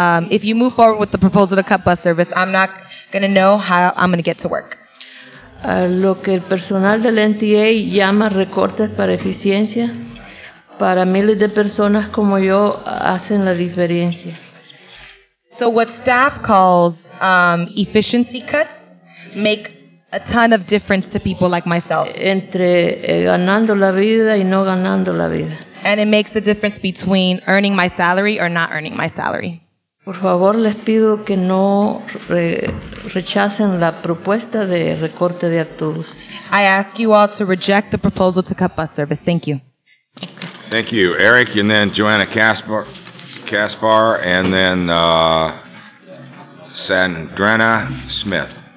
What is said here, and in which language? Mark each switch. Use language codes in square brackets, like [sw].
[en] if you move forward with the proposal to cut bus service, I'm not going to know how I'm going to get to work. [es] Lo que el personal del NTA llama recortes para eficiencia, para miles de personas como yo hacen la diferencia. [en] So what staff calls efficiency cuts make a ton of difference to people like myself. [es] Entre ganando la vida y no ganando la vida. [en] And it makes the difference between earning my salary or not earning my salary. [es] Por favor, les pido que no rechacen la propuesta de recorte de autobús. [en] I ask you all to reject the proposal to cut bus service. Thank you. Thank you, Eric, and then Joanna Caspar, and then Sandrina Smith.